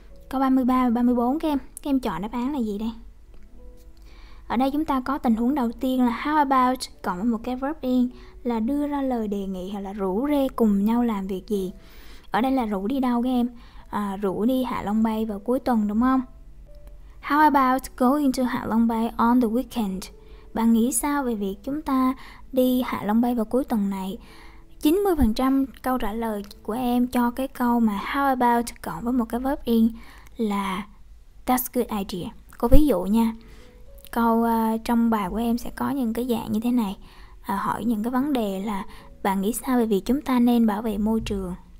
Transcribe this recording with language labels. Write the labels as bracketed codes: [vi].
[vi] Có 33 và 34 các em chọn đáp án là gì đây? Ở đây chúng ta có tình huống đầu tiên là [en] how about [vi] cộng với một cái verb in là đưa ra lời đề nghị hoặc là rủ rê cùng nhau làm việc gì. Ở đây là rủ đi đâu các em? Rủ đi Hạ Long Bay vào cuối tuần đúng không? [en] How about going to Hạ Long Bay on the weekend? [vi] Bạn nghĩ sao về việc chúng ta đi Hạ Long Bay vào cuối tuần này? 90% câu trả lời của em cho cái câu mà [en] how about [vi] cộng với một cái verb in là [en] that's a good idea. [vi] Có ví dụ nha. Câu trong bài của em sẽ có những cái dạng như thế này. Hỏi những cái vấn đề là bạn nghĩ sao về việc chúng ta nên bảo vệ môi trường?